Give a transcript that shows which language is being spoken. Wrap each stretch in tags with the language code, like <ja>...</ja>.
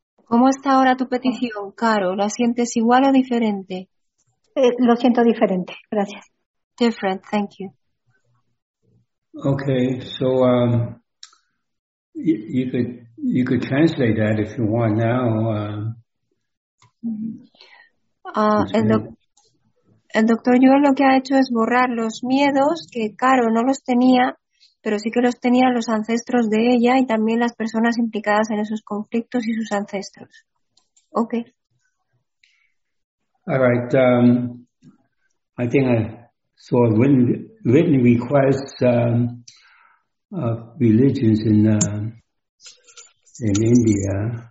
<es>¿Cómo está ahora tu petición, Caro? ¿La sientes igual o diferente? Lo siento diferente, gracias.</es> <en>Different, thank you. Okay, so you could translate that if you want now.</en> <es>El doctor Yuen lo que ha hecho es borrar los miedos que Caro no los tenía, pero sí que los tenían los ancestros de ella y también las personas implicadas en esos conflictos y sus ancestros.</es> <en>Okay. All right. I think I saw written requests of religions in India.</en>